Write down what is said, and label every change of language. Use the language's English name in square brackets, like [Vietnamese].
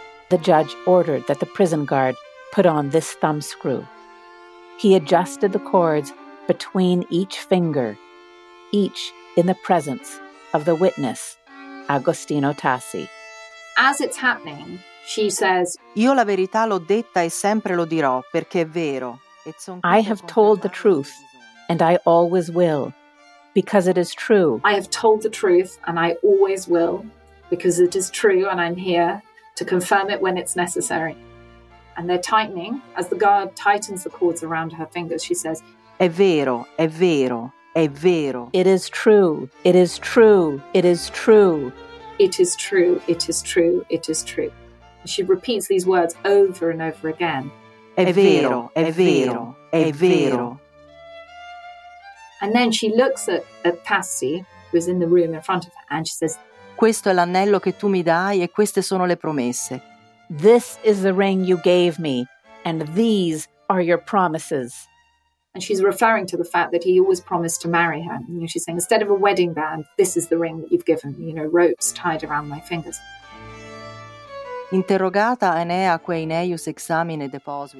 [English] The judge ordered that the prison guard put on this thumb screw. He adjusted the cords between each finger, each in the presence of the witness, Agostino Tassi. As it's happening, she says, [Italian] Io la verità l'ho detta e sempre lo dirò, perché è vero. [English] I have told the truth, and I always will, because it is true. I have told the truth, and I always will, because it is true, and I'm here to confirm it when it's necessary. And they're tightening. As the guard tightens the cords around her fingers, she says, [Italian] È vero, è vero, è vero. [English] It is true, it is true, it is true. It is true, it is true, it is true. She repeats these words over and over again. [Italian] È vero, è vero, è vero. [English] And then she looks at Tassi, who's in the room in front of her, and she says, [Italian] Questo è l'anello che tu mi dai e queste sono le promesse. [English] This is the ring you gave me, and these are your promises. And she's referring to the fact that he always promised to marry her. You know, she's saying, instead of a wedding band, this is the ring that you've given me, you know, ropes tied around my fingers. Interrogata Enea que ineius examine deposito.